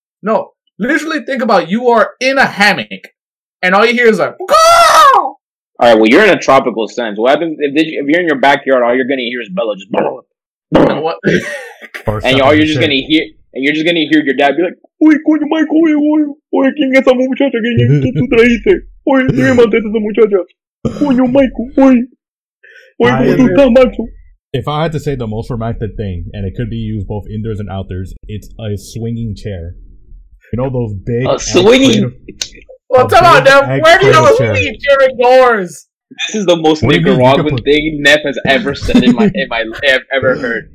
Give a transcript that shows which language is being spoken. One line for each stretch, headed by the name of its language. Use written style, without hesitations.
English: No, literally think about it. You are in a hammock, and all you hear is a macaw. All right, well, you're in a tropical sense. What happens if you're in your backyard? All you're gonna hear is Bella just. What? You're just gonna hear your dad be like,
Spanish: "Oye, coño, Michael, oye, ¿quién es esa muchacha que tú trajiste? Oye, ¿dónde mandaste esa muchacha? Coño, Michael, oye, ¿tú estás macho?"
English: If I had to say the most romantic thing, and it could be used both indoors and outdoors, it's a swinging chair. You know those big... A swinging... Well, come on, Dev. Where do you know a swinging chair indoors? This is the most Nicaraguan thing Nef has ever said in my I've ever heard.